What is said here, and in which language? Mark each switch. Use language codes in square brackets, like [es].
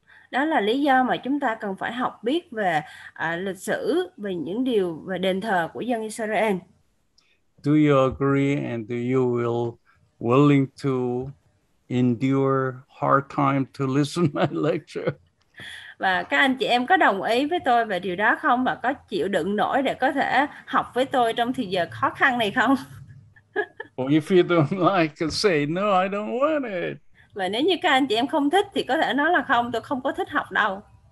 [vi] Đó là lý do mà chúng ta cần phải học biết về lịch sử, về những điều về đền thờ của dân Israel. [en] Do you agree and do you willing to endure hard time to listen my lecture? [vi] Và các anh chị em có đồng ý với tôi về điều đó không, và có chịu đựng nổi để có thể học với tôi trong thời giờ khó khăn này không? [en] If you don't like, say no, I don't want it. [vi] Và nếu như các anh chị em không thích thì có thể nói là không, tôi không có thích học đâu.